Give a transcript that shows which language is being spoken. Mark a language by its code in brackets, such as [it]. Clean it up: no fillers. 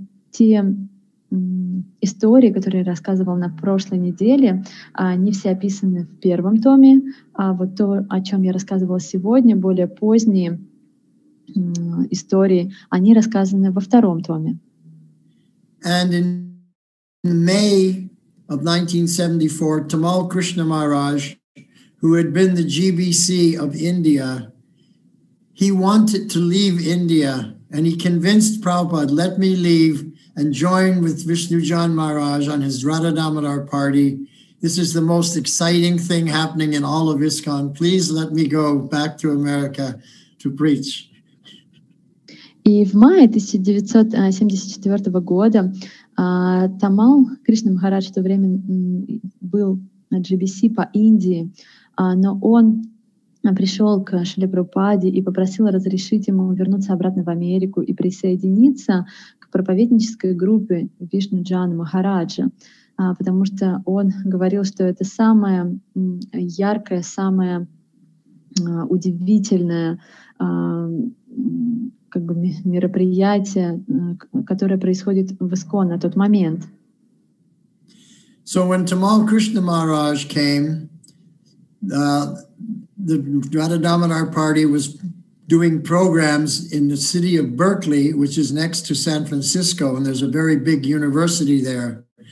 [ru] Те истории, которые я рассказывала на прошлой неделе, они все описаны в первом томе. А вот то, о чем я рассказывала сегодня, более поздние истории, они рассказаны во втором томе. [en] And in May of 1974, Tamal Krishna Maharaj, who had been the GBC of India, he wanted to leave India, and he convinced Prabhupada, let me leave and join with Vishnujan Maharaj on his Radhadamodar party. This is the most exciting thing happening in all of ISKCON. Please let me go back to America to preach. [ru] И в мае 1974 года Тамал Кришна Махарадж в то время был на GBC по Индии, но он пришел к Шриле Прабхупаде и попросил разрешить ему вернуться обратно в Америку и присоединиться к проповеднической группе Вишнуджана Махараджа, потому что он говорил, что это самое яркое, самое удивительное как бы мероприятие, которое происходит в ИСККОН на тот момент. [en] So when Tamal Krishna Maharaj came, the Radhadamodar party was doing programs in the city of Berkeley, which is next to San Francisco, and there's a very big university there.